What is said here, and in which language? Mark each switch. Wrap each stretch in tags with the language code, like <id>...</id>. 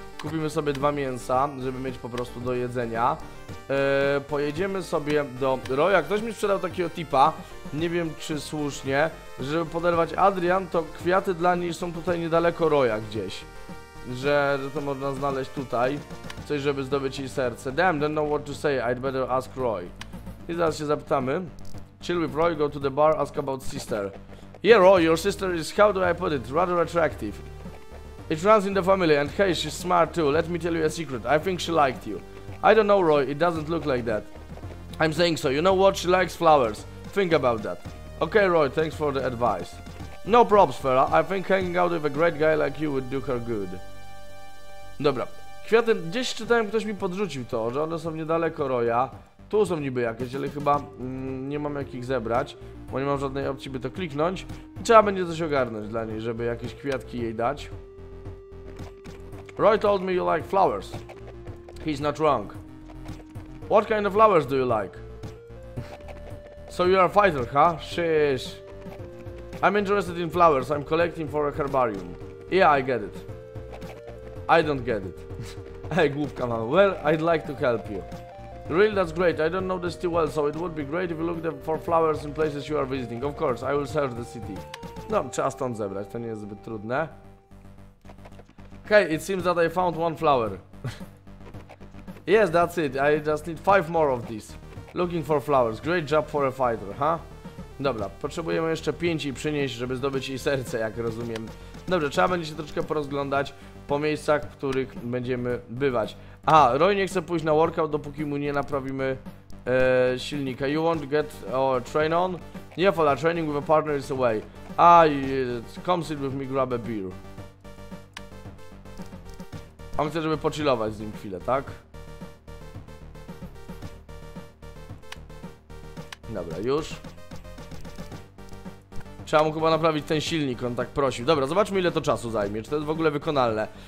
<pl>Kupimy sobie dwa mięsa, żeby mieć po prostu do jedzenia. Pojedziemy sobie do Roya. Ktoś mi sprzedał takiego tipa, nie wiem czy słusznie, żeby poderwać Adrian, to kwiaty dla niej są tutaj niedaleko Roya gdzieś. Że to można znaleźć tutaj. Coś, żeby zdobyć jej serce.</pl> <en>Damn, don't know what to say, I'd better ask Roy.</en> <pl>I zaraz się zapytamy.</pl> <en>Chill with Roy, go to the bar, ask about sister. Yeah, Roy, your sister is, how do I put it, rather attractive. It runs in the family and hey, she's smart too. Let me tell you a secret, I think she liked you. I don't know, Roy, it doesn't look like that. I'm saying so, you know what, she likes flowers. Think about that. Okay, Roy, thanks for the advice. No props, fella. I think hanging out with a great guy like you would do her good.</en> <pl>Dobra. Kwiaty... Gdzieś czytałem, ktoś mi podrzucił to, że one są niedaleko Roya. Tu są niby jakieś, ale chyba nie mam jak ich zebrać, bo nie mam żadnej opcji, by to kliknąć. Trzeba będzie coś ogarnąć dla niej, żeby jakieś kwiatki jej dać.</pl> <en>Roy told me you like flowers. He's not wrong. What kind of flowers do you like? So you are a fighter, huh? Sheesh. I'm interested in flowers, I'm collecting for a herbarium. Yeah, I get it. I don't get it. Hey,</en> <pl>głupka mama.</pl> <en>Well, I'd like to help you. Really, that's great. I don't know the city well, so it would be great if you looked for flowers in places you are visiting. Of course, I will search the city.</en> <pl>No, trzeba stąd zebrać, to nie jest zbyt trudne.</pl> <en>Hey, it seems that I found one flower. Yes, that's it. I just need 5 more of these. Looking for flowers. Great job for a fighter, huh?</en> <pl>Dobra, potrzebujemy jeszcze 5 i przynieść, żeby zdobyć jej serce, jak rozumiem. Dobrze, trzeba będzie się troszkę porozglądać po miejscach, w których będziemy bywać. A, Roy nie chce pójść na workout, dopóki mu nie naprawimy silnika.</pl> <en>You won't get our train on? Yeah, fella, training with a partner is away. Come sit with me, grab a beer.</en> <pl>On chce, żeby pochillować z nim chwilę, tak? Dobra, już. Trzeba mu chyba naprawić ten silnik, on tak prosił. Dobra, zobaczmy ile to czasu zajmie, czy to jest w ogóle wykonalne.</pl>